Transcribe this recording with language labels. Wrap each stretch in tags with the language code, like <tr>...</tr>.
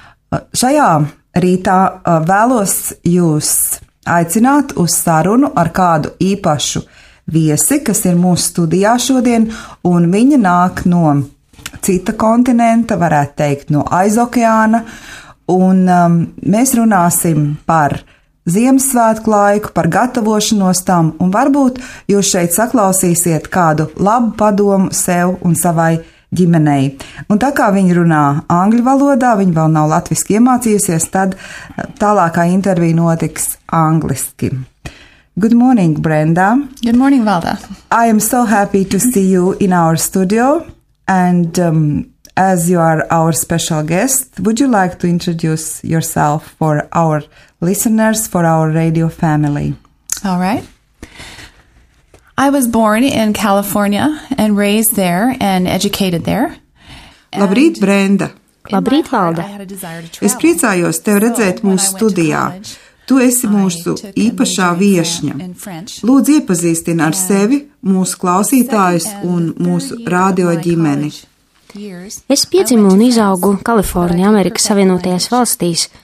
<lv>Šajā rītā vēlos jūs aicināt uz sarunu ar kādu īpašu viesi, kas ir mūsu studijā šodien, un viņa nāk no cita kontinenta, varētu teikt, no aizokeāna, un mēs runāsim par Ziemassvētku laiku, par gatavošanos tam, un varbūt jūs šeit saklausīsiet kādu labu padomu sev un savai ģimenei. Un tā kā viņa runā angļu valodā, viņa vēl nav latviski iemācījusies, tad tālākā intervija notiks angliski.</lv> <en>Good morning, Brenda. Good morning, Valda. I am so happy to see you in our studio, and as you are our special guest, would you like to introduce yourself for our listeners, for our radio family? All right. I was born in California and raised there and educated there.</en> <lv>Labrīt, Brenda. Labrīt, Valda. Es priecājos tev redzēt mūsu studijā. Tu esi mūsu īpašā viešņa. Lūdzu, iepazīstini ar sevi, mūsu klausītājus un mūsu radio ģimeni. Es piedzimu un izaugu Kalifornijā, Amerikas Savienotajās valstīs.</lv>